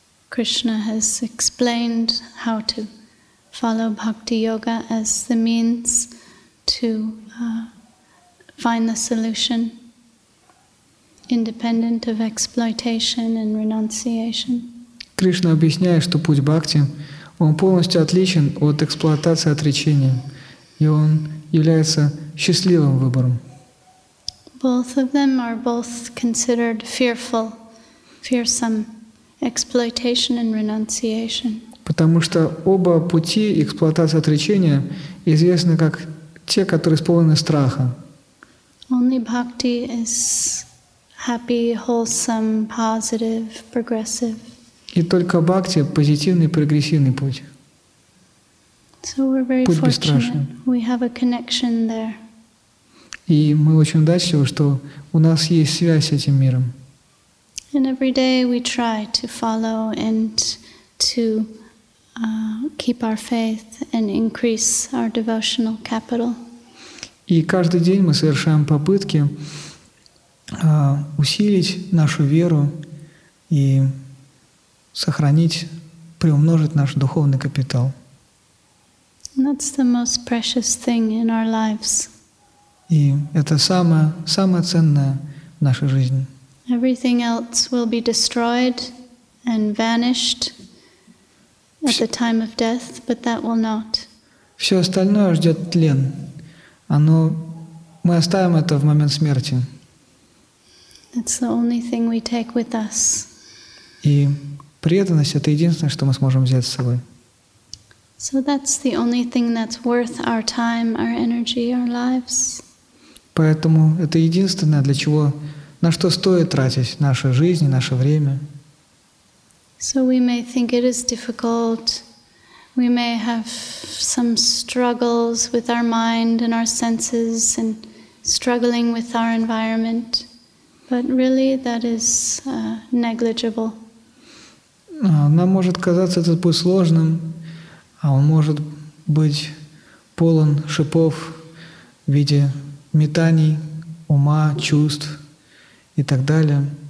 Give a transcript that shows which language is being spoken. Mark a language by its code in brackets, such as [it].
[en] Krishna has explained how to follow bhakti yoga as the means to find the solution, independent of exploitation and renunciation. [ru] Кришна объясняет, что путь бхакти, он полностью отличен от эксплуатации и отречения, и он является счастливым выбором. [en] Both of them are both considered fearful, fearsome, exploitation and renunciation. [ru] Потому что оба пути эксплуатации и отречения известны как те, которые исполнены страха. [en] Only bhakti is happy, wholesome, positive, progressive. [ru] И только бхакти – позитивный, прогрессивный путь. [en] So we're very [ru] путь бесстрашный. [en] We have a connection there. [ru] И мы очень удачливы, что у нас есть связь с этим миром. [en] And every day we try to follow and to keep our faith and increase our devotional capital. [ru] И каждый день мы совершаем попытки усилить нашу веру и сохранить, приумножить наш духовный капитал. [en] And that's the most precious thing in our lives. [ru] И это самое ценное в нашей жизни. [en] Everything else will be destroyed and vanished at the time of death, but that will not. [ru] Все остальное ждет тлен. Оно, мы оставим это в момент смерти. [en] That's the only thing we take with us. [ru] И Преданность — это единственное, что мы сможем взять с собой. [en] So that's the only thing that's worth our time, our energy, our lives. [ru] Поэтому это единственное, для чего, на что стоит тратить нашу жизнь и наше время. [en] So we may think it is difficult. We may have some struggles with our mind and our senses and struggling with our environment. But really that is negligible. [ru] Нам может казаться этот путь сложным, а он может быть полон шипов в виде метаний, ума, чувств и так далее.